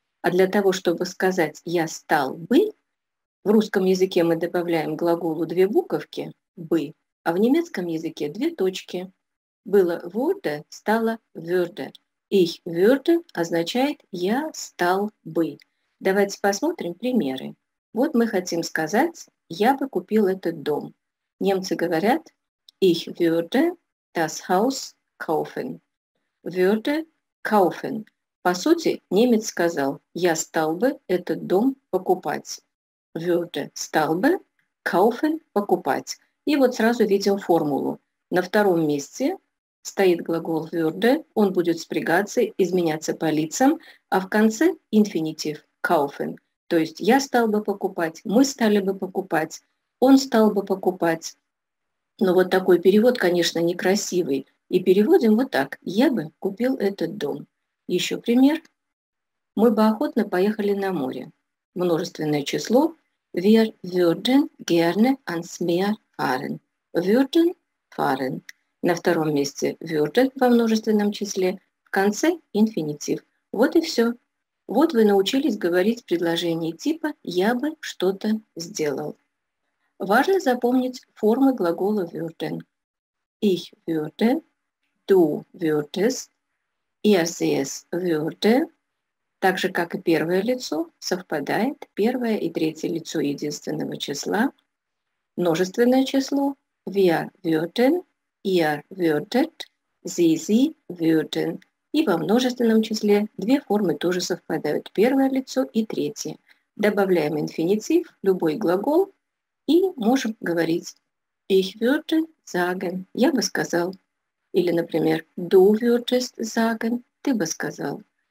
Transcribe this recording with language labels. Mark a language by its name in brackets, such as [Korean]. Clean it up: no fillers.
[Russian] А для того, чтобы сказать «я стал бы», в русском языке мы добавляем глаголу две буковки «бы», а в немецком языке две точки. Было «wurde» – стало «würde». [German] «Ich würde» [Russian] означает «я стал бы». Давайте посмотрим примеры. Вот мы хотим сказать «я бы купил этот дом». Немцы говорят [German] «Ich würde das Haus kaufen». «Würde kaufen». [Russian] По сути, немец сказал «я стал бы этот дом покупать». «Würde» – «стал бы», «kaufen» – «покупать». И вот сразу видим формулу. На втором месте стоит глагол «würde», он будет спрягаться, изменяться по лицам, а в конце – инфинитив «kaufen». То есть «я стал бы покупать», «мы стали бы покупать», «он стал бы покупать». Но вот такой перевод, конечно, некрасивый. И переводим вот так. «Я бы купил этот дом». Еще пример. «Мы бы охотно поехали на море». Множественное число. [German] «Wir würden gerne ans Meer fahren». «Würden fahren». [Russian] На втором месте «würden» во множественном числе. В конце инфинитив. Вот и все. Вот вы научились говорить предложение типа «я бы что-то сделал». Важно запомнить формы глагола würden. [German] Ich würde, du würdest, er, sie, es würde. [Russian] Так же, как и первое лицо, совпадает первое и третье лицо единственного числа. Множественное число. [German] Wir würden, ihr würdet, sie würden. [Russian] И во множественном числе две формы тоже совпадают. Первое лицо и третье. Добавляем инфинитив, любой глагол, и можем говорить [German] «Ich würde sagen» [Russian] – «я бы сказал». Или, например, [German] «Du würdest sagen» [Russian] – «ты бы сказал».